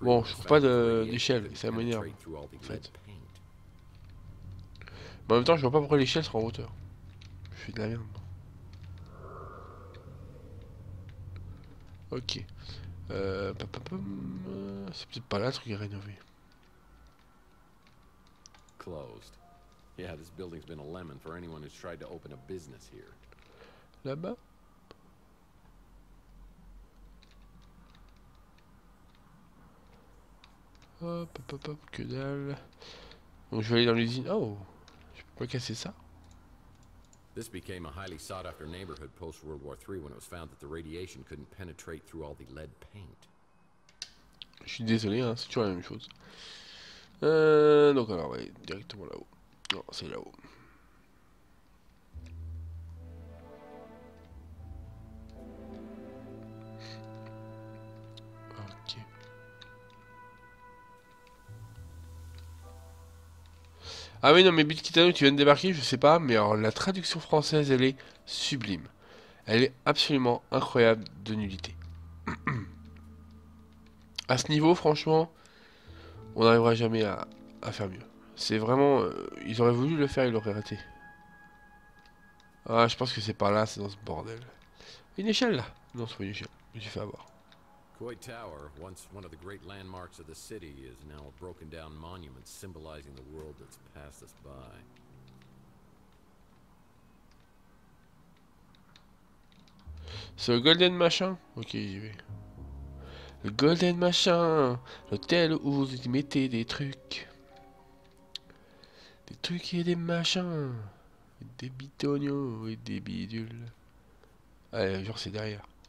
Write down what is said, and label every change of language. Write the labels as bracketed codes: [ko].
[fr] Bon, je trouve pas d'échelle, ça m'énerve. En fait. Mais en même temps, je vois pas pourquoi l'échelle sera en hauteur. Je suis de la merde. Ok. C'est peut-être pas là le truc à rénover. [en] Closed. Yeah, this building's been a lemon for anyone who's tried to open a business here. [fr] Là-bas. Hop, hop, hop, hop, que dalle. Donc je vais aller dans l'usine. Oh, je peux pas casser ça. [en] This became a highly sought after neighborhood post World War III when it was found that the radiation couldn't penetrate through all the lead paint. [fr] Je suis désolé, hein, c'est toujours la même chose. Donc alors, on va aller directement là-haut. Non, c'est là-haut. Ah oui, non, mais Bitkitano, tu viens de débarquer, je sais pas, mais alors la traduction française, elle est sublime. Elle est absolument incroyable de nullité. À ce niveau, franchement, on n'arrivera jamais à faire mieux. C'est vraiment... ils auraient voulu le faire, ils l'auraient raté. Ah, je pense que c'est par là, c'est dans ce bordel. Une échelle, là. Non, c'est pas une échelle. Je me suis fait avoir. [en] Koi Tower, once one of the great landmarks of the city, is now a broken down monument symbolizing the world that's passed us by. [fr] So Golden Machin? Ok, j'y vais. Le Golden Machin, l'hôtel où vous y mettez des trucs. Des trucs et des machins. Et des bitonios et des bidules. Allez, genre c'est derrière.